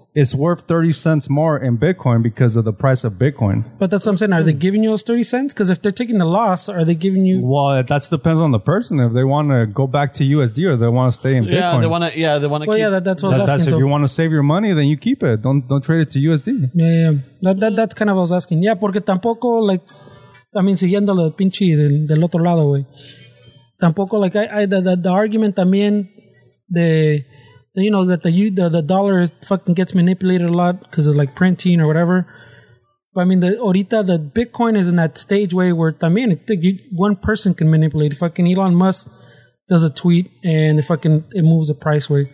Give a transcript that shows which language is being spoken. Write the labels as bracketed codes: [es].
[en] it's worth 30 cents more in Bitcoin because of the price of Bitcoin. But that's what I'm saying. Are they giving you those 30 cents? Because if they're taking the loss, are they giving you... Well, that depends on the person. If they want to go back to USD or they want to stay in Bitcoin. Yeah, they want to keep... If you want to save your money, then you keep it. Don't trade it to USD. Yeah. That's kind of what I was asking. Yeah, [es] porque tampoco, [en] like... I mean, [es] siguiendo el pinche del otro lado, güey. [en] Tampoco, like, the argument también de... You know that the dollar fucking gets manipulated a lot because of like printing or whatever. But I mean, ahorita the Bitcoin is in that stage way where también one person can manipulate. Fucking Elon Musk does a tweet and it moves the price way.